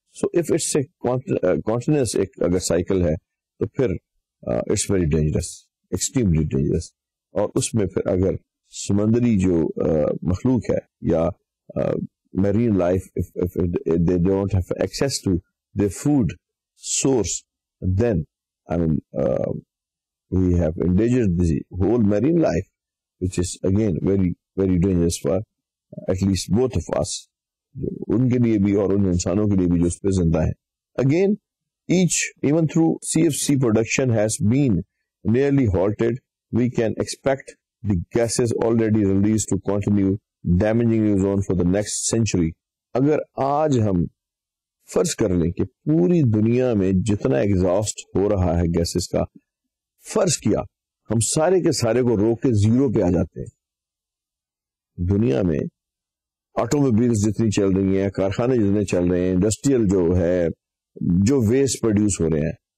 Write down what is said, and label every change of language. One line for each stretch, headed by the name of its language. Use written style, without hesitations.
English: so if it's a continuous
Urdu: ایک اگر cycle ہے تو پھر
English: it's very dangerous, extremely dangerous,
Urdu: اور اس میں پھر اگر سمندری جو مخلوق ہے یا
English: marine life they don't have access to the food source then I mean we have endangered the whole marine life which is again very very dangerous for at least both of us,
Urdu: ان کے لیے بھی اور ان انسانوں کے لیے بھی جو اس پہ زندہ ہے.
English: Again H even through C F C production has been nearly halted, we can expect the gases already release to continue damaging ozone for the next century.
Urdu: اگر آج ہم فرض کر لیں کہ پوری دنیا میں جتنا ایگزاسٹ ہو رہا ہے گیسز کا, فرض کیا ہم سارے کے سارے کو روک کے زیرو پہ آ جاتے ہیں, دنیا میں آٹوموبیلز جتنی چل رہی ہیں, کارخانے جتنے چل رہے ہیں, انڈسٹریل جو ہے جو ویسٹ پروڈیوس ہو رہے ہیں,